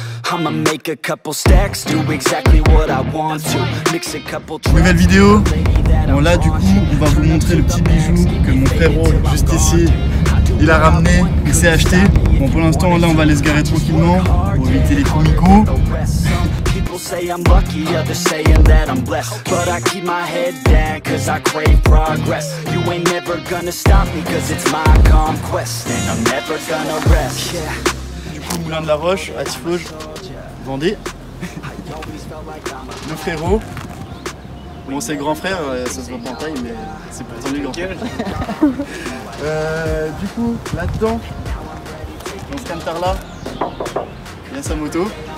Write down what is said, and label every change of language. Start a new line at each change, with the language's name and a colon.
English: I'ma make a couple stacks, do exactly what I want to. Mix a couple tracks.
French: Nouvelle vidéo. Bon, là, du coup, on va vous montrer le petit bijou que mon frérot, juste ici, il a ramené, il s'est acheté. Bon, pour l'instant, là, on va aller se garer tranquillement pour éviter les fourmis-coups.
English: Say I'm lucky, others saying that I'm blessed. But I keep my head down, cause I crave progress. You ain't never gonna stop me, cause it's my conquest. And I'm never gonna rest.
French: Du coup, Moulin de la Roche, à Tiflauge, Vendée. Le frérot. Bon, c'est grand frère, ça se voit pas en taille, mais c'est pourtant lui grand frère. Du coup, là-dedans, dans ce canetard-là, il y a sa moto.